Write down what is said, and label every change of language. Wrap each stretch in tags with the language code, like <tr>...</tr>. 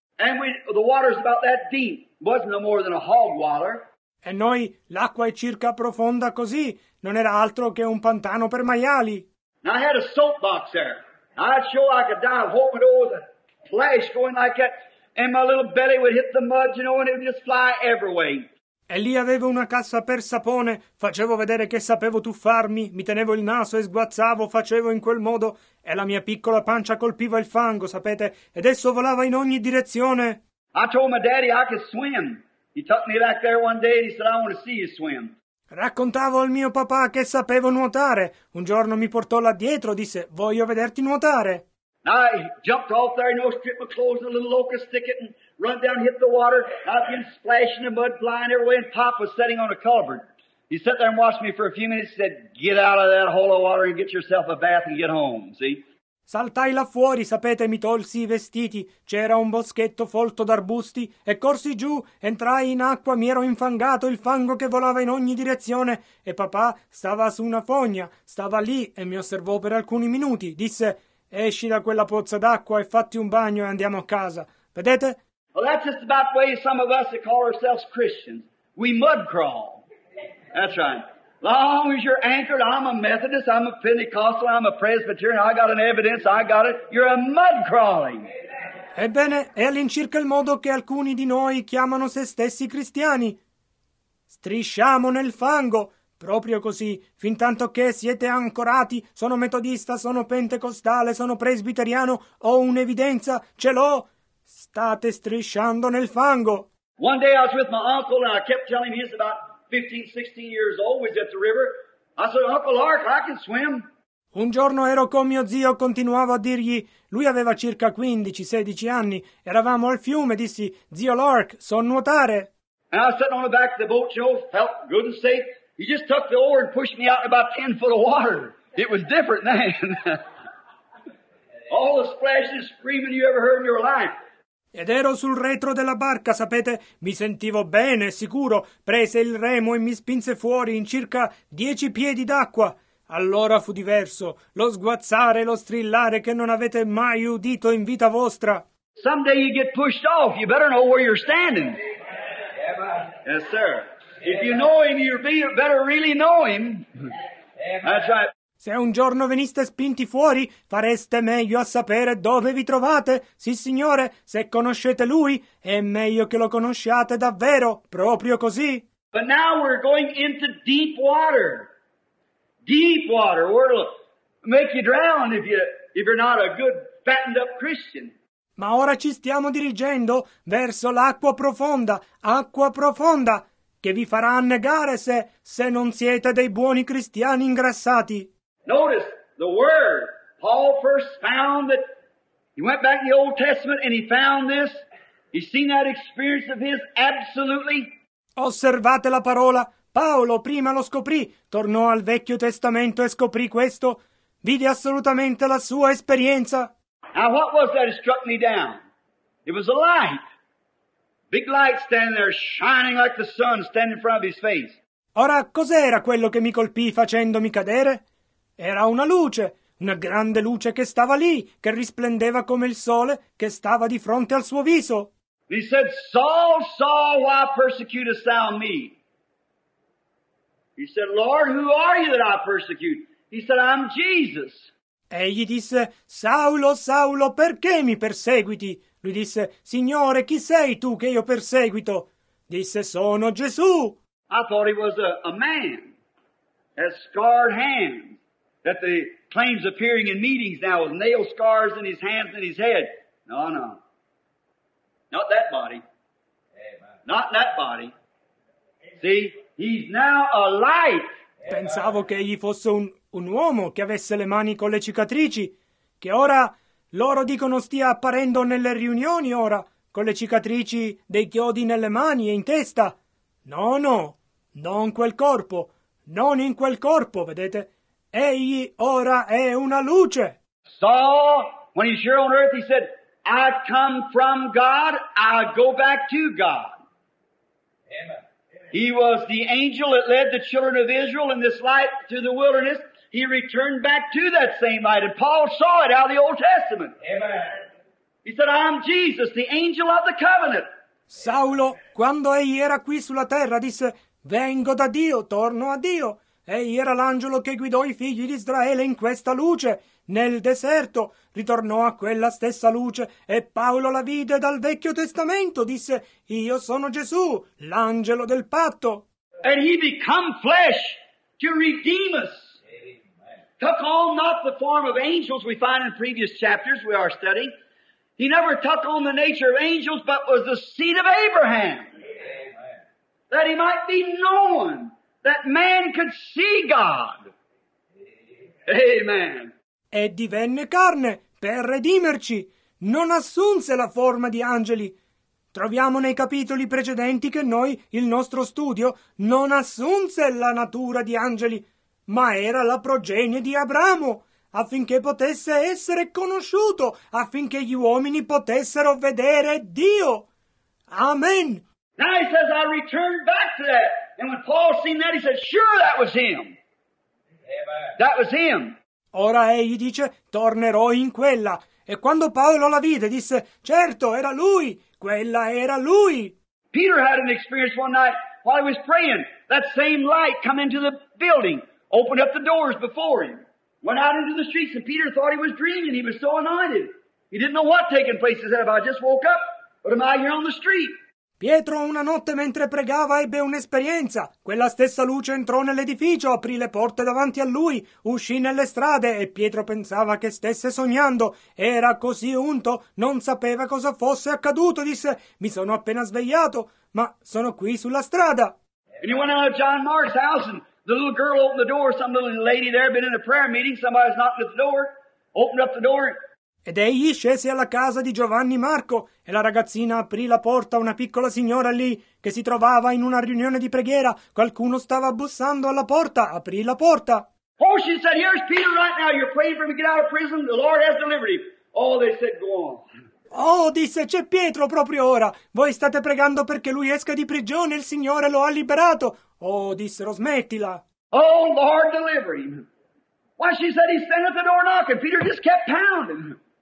<en>And the water's about that deep, wasn't no more than a hog water.</en> <it>E noi, l'acqua è circa profonda così, non era altro che un pantano per maiali.</it> <en>Now I had a soapbox there. I'd show I could dive, hope it over the flash going like that, and my little belly would hit the mud, you know, and it would just fly every way.</en> <it>E lì avevo una cassa per sapone, facevo vedere che sapevo tuffarmi, mi tenevo il naso e sguazzavo, facevo in quel modo, e la mia piccola pancia colpiva il fango, sapete, ed esso volava in ogni direzione.</it> <en>I told my daddy I could swim. He took me back there one day and he said, I want to see you swim.</en> <it>Raccontavo al mio papà che sapevo nuotare. Un giorno mi portò là dietro, disse, voglio vederti nuotare.</it> <en>I jumped off there, you know, stripped my clothes in a little locust thicket and run down and hit the water. I've been splashing the mud, flying everywhere, and Pop was sitting on a culvert. He sat there and watched me for a few minutes and said, get out of that hole of water and get yourself a bath and get home, see?</en> <it>Saltai là fuori, sapete, mi tolsi i vestiti. C'era un boschetto folto d'arbusti e corsi giù, entrai in acqua, mi ero infangato, il fango che volava in ogni direzione. E papà stava su una fogna, stava lì e mi osservò per alcuni minuti. Disse, esci da quella pozza d'acqua e fatti un bagno e andiamo a casa. Vedete?</it> <en>Well, that's just about the way some of us that call ourselves Christians. We mud crawl. That's right. Long as you're anchored, I'm a Methodist, I'm a Pentecostal, I'm a Presbyterian, I got an evidence, I got it. You're a mud crawling.</en> <it>Ebbene, è all'incirca il modo che alcuni di noi chiamano se stessi cristiani. Strisciamo nel fango, proprio così, fin tanto che siete ancorati, sono metodista, sono pentecostale, sono presbiteriano, ho un'evidenza, ce l'ho. State strisciando nel fango.</it> <en>One day I was with my uncle and I kept telling him he's about 15, 16 years old, was at the river. I said, Uncle Ark, I can swim.</en> <it>Un giorno ero con mio zio, continuavo a dirgli, lui aveva circa 15, 16 anni, eravamo al fiume, dissi, zio Lark, so nuotare.</it> <en>And I sat on the back of the boat, Joe, felt good and safe. He just took the oar and pushed me out in about 10 foot of water. It was different then. All the splashes, screaming you ever heard in your life.</en> <it>Ed ero sul retro della barca, sapete, mi sentivo bene, sicuro, prese il remo e mi spinse fuori in circa 10 piedi d'acqua. Allora fu diverso, lo sguazzare, lo strillare che non avete mai udito in vita vostra.</it> <en>Someday you get pushed off, you better know where you're standing. Yes, sir. If you know him, you better really know him. That's right.</en> <it>Se un giorno veniste spinti fuori, fareste meglio a sapere dove vi trovate. Sì, signore, se conoscete lui, è meglio che lo conosciate davvero, proprio così.</it> <en>But now we're going into deep water. Deep water, where it'll make you drown if you're not a good, fattened up Christian.</en> <it>Ma ora ci stiamo dirigendo verso l'acqua profonda, acqua profonda, che vi farà annegare se non siete dei buoni cristiani ingrassati.</it> <en>Notice the word. Paul first found that he went back in the Old Testament and he found this. He's seen that experience of his absolutely.</en> <it>Osservate la parola. Paolo prima lo scoprì, tornò al Vecchio Testamento e scoprì questo. Vide assolutamente la sua esperienza.</it> <en>Now what was that struck me down? It was a light. Big light standing there shining like the sun standing in front of his face.</en> <it>Ora cos'era quello che mi colpì facendomi cadere? Era una luce, una grande luce che stava lì, che risplendeva come il sole, che stava di fronte al suo viso.</it> <en>He said, Saul, Saul, why persecutest thou me? He said, Lord, who are you that I persecute? He said, I'm Jesus.</en> <it>Egli disse, Saulo, Saulo, perché mi perseguiti? Lui disse, Signore, chi sei tu che io perseguito? Disse, sono Gesù.</it> <en>I thought he was a man, a scarred hand. That the claims appearing in meetings now with nail scars in his hands and his head. No, no. Not that body. Amen. Not that body. See, he's now a light.</en> <it>Pensavo che egli fosse un uomo che avesse le mani con le cicatrici, che ora loro dicono stia apparendo nelle riunioni ora, con le cicatrici dei chiodi nelle mani e in testa. No, no, non quel corpo, non in quel corpo, vedete? Egli ora è una luce.</it> <en>Saul, when he's here on earth, he said, I come from God, I go back to God. Amen. Amen. He was the angel that led the children of Israel in this light to the wilderness. He returned back to that same light. And Paul saw it out of the Old Testament. Amen. He said, I'm Jesus, the angel of the covenant.</en> <it>Saulo, quando egli era qui sulla terra, disse, vengo da Dio, torno a Dio. Egli era l'angelo che guidò i figli di Israele in questa luce, nel deserto, ritornò a quella stessa luce, e Paolo la vide dal Vecchio Testamento, disse, io sono Gesù, l'angelo del patto.</it> <en>And he became flesh to redeem us. Amen. Took on not the form of angels we find in previous chapters we are studying. He never took on the nature of angels, but was the seed of Abraham. Amen. That he might be known. That man could see God. Amen.</en> <it>E divenne carne per redimerci. Non assunse la forma di angeli. Troviamo nei capitoli precedenti che noi, il nostro studio, non assunse la natura di angeli, ma era la progenie di Abramo, affinché potesse essere conosciuto, affinché gli uomini potessero vedere Dio.</it> <en>Amen. Now he says, I return back to that. And when Paul seen that, he said, sure, that was him. Amen. That was him.</en> <it>Ora egli dice, tornerò in quella. E quando Paolo la vide, disse, certo, era lui. Quella era lui.</it> <en>Peter had an experience one night while he was praying. that same light come into the building, opened up the doors before him, went out into the streets, and Peter thought he was dreaming. He was so anointed. He didn't know what taking place is. I just woke up. What am I here on the street?</en> <it>Pietro una notte mentre pregava ebbe un'esperienza. Quella stessa luce entrò nell'edificio, aprì le porte davanti a lui, uscì nelle strade e Pietro pensava che stesse sognando. Era così unto, non sapeva cosa fosse accaduto, disse, mi sono appena svegliato, ma sono qui sulla strada.</it> <en>And he went out of John Mark's house and the little girl opened the door, some little lady there had been in a prayer meeting, somebody was knocking at the door, opened up the door.</en> <it>Ed egli scese alla casa di Giovanni Marco e la ragazzina aprì la porta a una piccola signora lì che si trovava in una riunione di preghiera. Qualcuno stava bussando alla porta, aprì la porta.</it> <en>Oh, she said, here's Peter right now, you're praying for me to get out of prison, the Lord has delivered him. Oh, they said, go on.</en> <it>Oh, disse, c'è Pietro proprio ora, voi state pregando perché lui esca di prigione, il Signore lo ha liberato. Oh, dissero, smettila.</it> <en>Oh, Lord, deliver him. Why, she said, he's standing at the door knocking. Peter just kept pounding.</en>